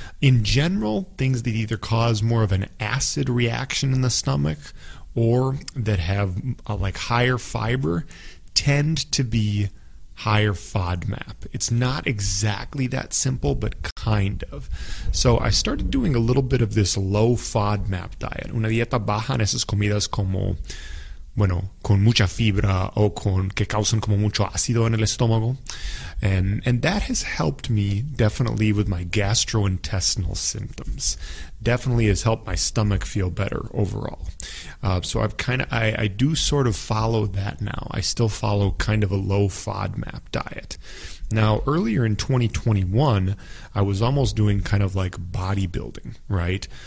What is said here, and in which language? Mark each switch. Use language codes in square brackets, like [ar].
[en] In general, things that either cause more of an acid reaction in the stomach or that have like higher fiber tend to be higher FODMAP. It's not exactly that simple, but kind of. So I started doing a little bit of this low FODMAP diet. [es] Una dieta baja en esas comidas como, bueno, con mucha fibra o con que causan como mucho ácido en el estómago. [en] And that has helped me definitely with my gastrointestinal symptoms. Definitely has helped my stomach feel better overall. So I've kind of, I do sort of follow that now. I still follow kind of a low FODMAP diet. Now, earlier in 2021, I was almost doing kind of like bodybuilding, right?